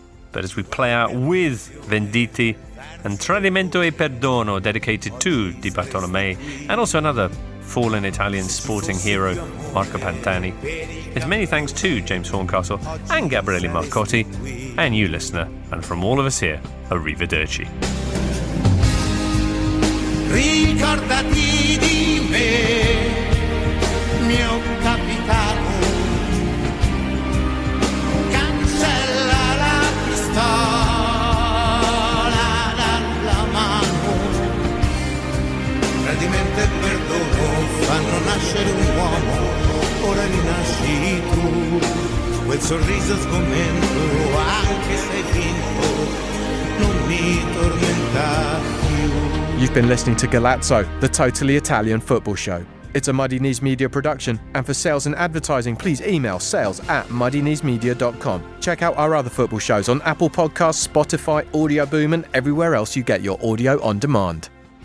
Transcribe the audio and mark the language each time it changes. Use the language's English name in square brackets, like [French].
[English] But as we play out with Venditti and Tradimento e Perdono, dedicated to Di Bartolomei, and also another fallen Italian sporting hero, Marco Pantani, it's many thanks to James Horncastle and Gabriele Marcotti, and you, listener, and from all of us here, arrivederci. [Italian] Ricordati di me, mio capitano, cancella la pistola dalla mano. Tradimento e perdono fanno nascere un uomo, ora rinasci tu. Quel sorriso sgomento, anche se hai vinto, non mi tormentare. [English] You've been listening to Galazzo, the totally Italian football show. It's a Muddy Knees Media production, and for sales and advertising, please email sales@muddyneesmedia.com. Check out our other football shows on Apple Podcasts, Spotify, Audioboom, and everywhere else you get your audio on demand.